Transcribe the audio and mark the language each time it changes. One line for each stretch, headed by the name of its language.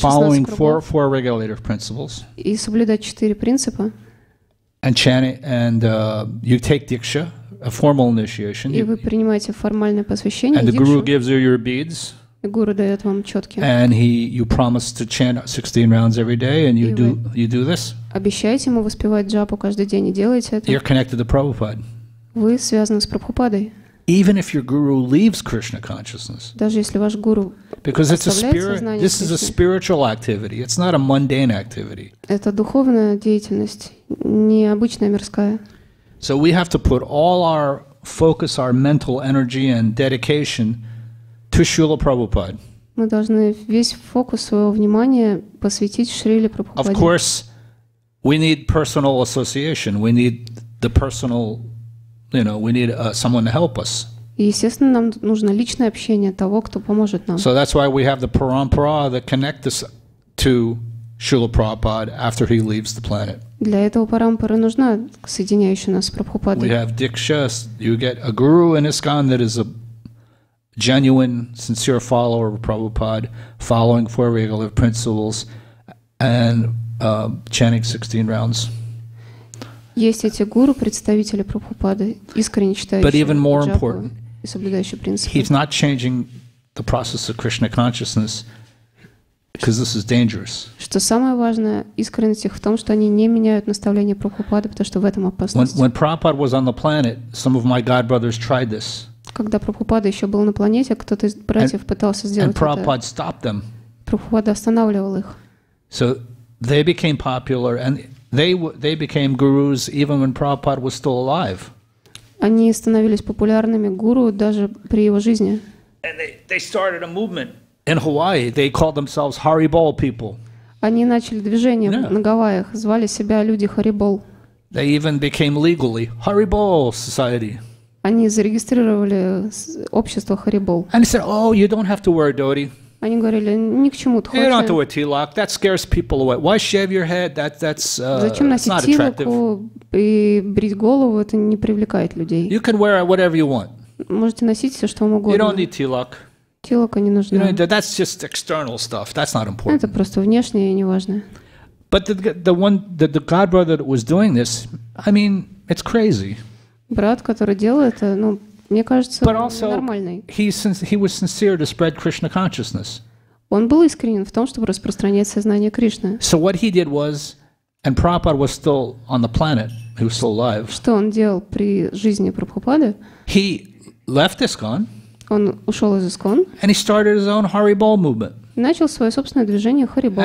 Russian: 16 кругов,
English: four regulative principles,
Russian: и соблюдать 4 принципа,
English: and chanting, and you take diksha, a formal initiation,
Russian: и вы принимаете формальное посвящение,
English: and the guru gives you your beads,
Russian: и гуру дает вам четки,
English: and you promise to chant 16 rounds every day, and you do this.
Russian: Обещаете ему воспевать джапу каждый день и делаете это.
English: You're connected to Prabhupada.
Russian: Вы связаны с Прабхупадой.
English: Even if your guru leaves Krishna consciousness.
Russian: Даже если ваш гуру
English: Because it's a spirit, this Krishna. Is a spiritual activity. It's not a mundane activity.
Russian: Это духовная деятельность, не обычная мирская.
English: So we have to put all our focus, our mental energy and dedication to Srila Prabhupada.
Russian: Мы должны весь фокус своего внимания посвятить Шриле Прабхупаде.
English: Of course, we need personal association. We need the personal, you know, we need someone to help us.
Russian: Естественно, нам нужно личное общение того, кто поможет нам.
English: So that's why we have the parampara that connect us to Srila Prabhupada after he leaves the planet.
Russian: Для этого парампара нужна соединяющая нас с Прабхупадой.
English: We have diksha. You get a guru in ISKCON that is a genuine, sincere follower of Prabhupada, following four regulative principles, and chanting 16 rounds.
Russian: Есть эти гуру, представители Прабхупады, искренне читающие.
English: But even more important,
Russian: и соблюдающие принципы.
English: He's not changing the process of Krishna consciousness because this is dangerous.
Russian: Что самое важное, искренность их в том, что они не меняют наставления Прабхупады, потому что в этом опасность.
English: When Prabhupada was on the planet, some of my godbrothers tried this.
Russian: Когда Прабхупада еще был на планете, кто-то из братьев пытался сделать это.
English: Prabhupada stopped them.
Russian: Прабхупада останавливал их.
English: So they became popular, and they became gurus even when Prabhupada was still alive.
Russian: Они становились популярными гуру даже при его жизни.
English: And they started a movement in Hawaii. They called themselves Haribol people.
Russian: Они начали движение на Гавайях, звали себя люди Харибол.
English: They even became legally Haribol society.
Russian: Они зарегистрировали общество Харибол.
English: And they said, "Oh, you don't have to wear a dhoti."
Russian: Они говорили, ни к чему тхоти.
English: You don't have to wear tilak. That scares people away. Why shave your head?
Russian: Зачем носить тилаку и брить голову? Это не привлекает людей.
English: You can wear whatever you want.
Russian: Можете носить все, что вам угодно.
English: You don't need tilak.
Russian: Тилака не нужна.
English: You know, that's just external stuff. That's not important.
Russian: Это просто внешнее и неважное.
English: But the godbrother that was doing this, I mean, it's crazy.
Russian: Брат, который делал это, ну, мне кажется, он нормальный.
English: He was sincere to spread Krishna consciousness.
Russian: Он был искренен в том, чтобы распространять сознание Кришны.
English: So what he did was, and Prabhupada was still on the planet, he was still alive.
Russian: Что он делал при жизни Прабхупады?
English: He left ISKCON.
Russian: Он ушел из ISKCON.
English: And he started his own Haribol movement.
Russian: Начал свое собственное движение Харибол.